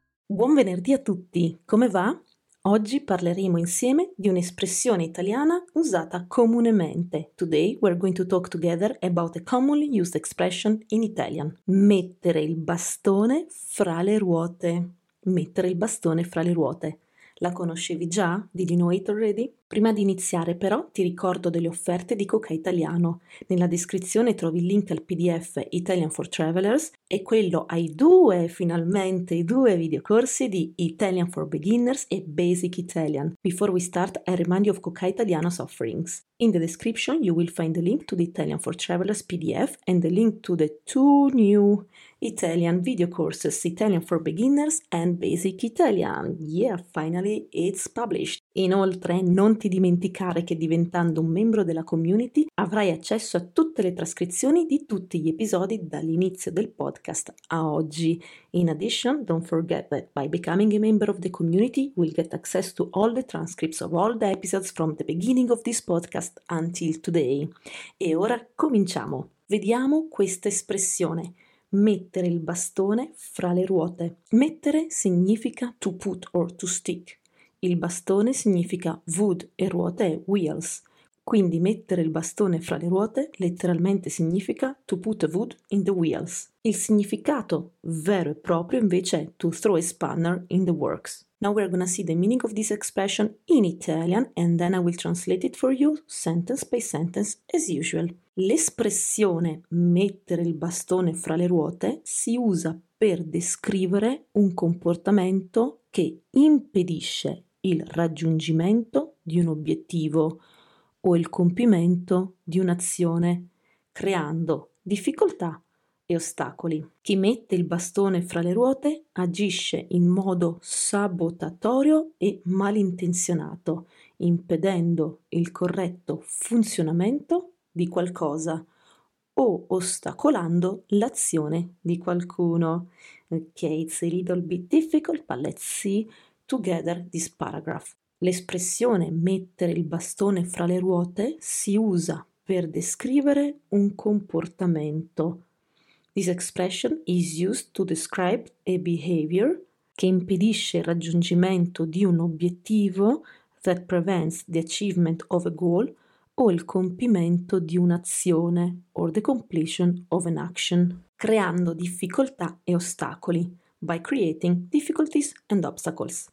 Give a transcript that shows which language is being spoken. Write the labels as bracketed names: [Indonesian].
[Italian] Buon venerdì a tutti, come va? Oggi parleremo insieme di un'espressione italiana usata comunemente. [English] Today we're going to talk together about a commonly used expression in Italian. [Italian] Mettere il bastone fra le ruote. Mettere il bastone fra le ruote. La conoscevi già? [English] Did you know it already? [Italian] Prima di iniziare però ti ricordo delle offerte di Cocai Italiano. Nella descrizione trovi il link al PDF Italian for Travelers e quello ai due videocorsi di Italian for Beginners e Basic Italian. [English] Before we start, I remind you of Cocai Italiano's offerings. In the description you will find the link to the Italian for Travelers PDF and the link to the 2 new Italian videocourses, Italian for Beginners and Basic Italian. Yeah, finally it's published. [Italian] Inoltre, non ti dimenticare che diventando un membro della community avrai accesso a tutte le trascrizioni di tutti gli episodi dall'inizio del podcast a oggi. [English] In addition, don't forget that by becoming a member of the community, we'll get access to all the transcripts of all the episodes from the beginning of this podcast until today. [Italian] E ora cominciamo. Vediamo questa espressione. Mettere il bastone fra le ruote. Mettere significa [English] to put or to stick. [Italian] Il bastone significa wood e ruote è wheels. Quindi mettere il bastone fra le ruote letteralmente significa [English] to put a wood in the wheels. [Italian] Il significato vero e proprio invece è [English] to throw a spanner in the works. Now we're gonna see the meaning of this expression in Italian and then I will translate it for you sentence by sentence as usual. [Italian] L'espressione mettere il bastone fra le ruote si usa per descrivere un comportamento che impedisce il raggiungimento di un obiettivo o il compimento di un'azione, creando difficoltà e ostacoli. Chi mette il bastone fra le ruote agisce in modo sabotatorio e malintenzionato, impedendo il corretto funzionamento di qualcosa o ostacolando l'azione di qualcuno. [English] Ok, it's a little bit difficult, but let's see together this paragraph. [Italian] L'espressione mettere il bastone fra le ruote si usa per descrivere un comportamento. [English] This expression is used to describe a behavior [Italian] che impedisce il raggiungimento di un obiettivo, [English] that prevents the achievement of a goal, [Italian] o il compimento di un'azione, [English] or the completion of an action, [Italian] creando difficoltà e ostacoli, [English] by creating difficulties and obstacles.